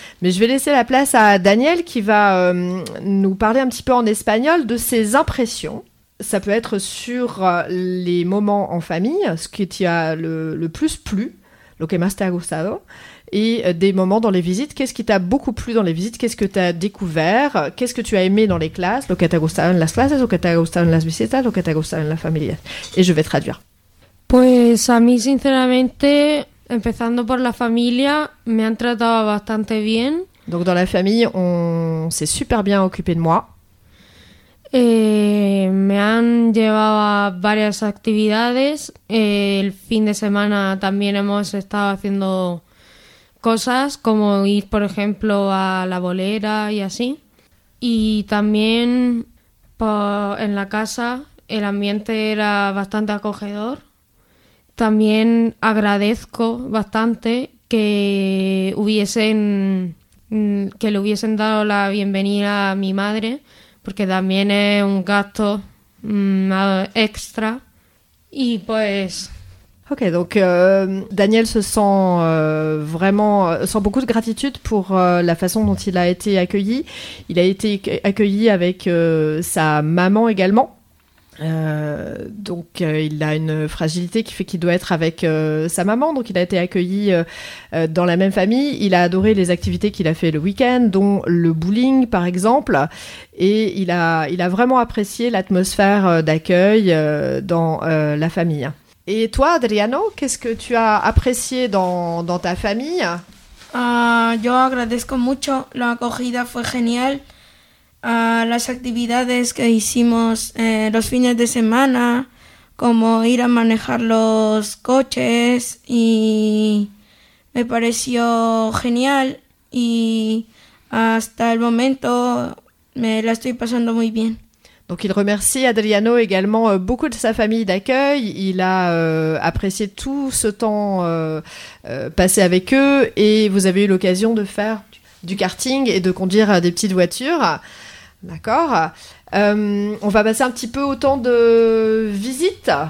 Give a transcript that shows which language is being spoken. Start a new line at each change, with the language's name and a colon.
French: Mais je vais laisser la place à Daniel qui va nous parler un petit peu en espagnol de ses impressions. Ça peut être sur les moments en famille, ce qui t'y a le plus plu,
Spanish: lo que más te ha gustado,
French: et des moments dans les visites. Qu'est-ce qui t'a beaucoup plu dans les visites? Qu'est-ce que t'as découvert? Qu'est-ce que tu as aimé dans les classes? Lo que te ha gustado en las clases, lo que te ha gustado en las visitas, lo que te ha gustado en la familia. Et je vais traduire.
Spanish: Pues a mí, sinceramente, empezando por la familia, me han tratado bastante bien. Donc dans la famille, on s'est super bien occupé de moi. Me han llevado a varias actividades. El fin de semana también hemos estado haciendo cosas, como ir, por ejemplo, a la bolera y así. Y también en la casa el ambiente era bastante acogedor. También agradezco bastante que le hubiesen dado la bienvenida a mi madre, porque también es un gasto extra. Y pues...
French: Ok, donc Daniel se sent vraiment... sent beaucoup de gratitude pour la façon dont il a été accueilli. Il a été accueilli avec sa maman également. Donc il a une fragilité qui fait qu'il doit être avec sa maman. Donc il a été accueilli dans la même famille. Il a adoré les activités qu'il a fait le week-end, dont le bowling par exemple. Et il a vraiment apprécié l'atmosphère d'accueil dans la famille. Et toi, Adriano, qu'est-ce que tu as apprécié dans ta famille?
Spanish: Yo agradezco mucho. La acogida fue genial. Las actividades que hicimos los fines de semana, como ir a manejar los coches, y me pareció genial, y hasta el momento me la estoy pasando muy bien.
French: Donc il remercie Adriano également beaucoup de sa famille d'accueil. Il a apprécié tout ce temps passé avec eux, et vous avez eu l'occasion de faire du karting et de conduire des petites voitures. D'accord. On va passer un petit peu au temps de visite.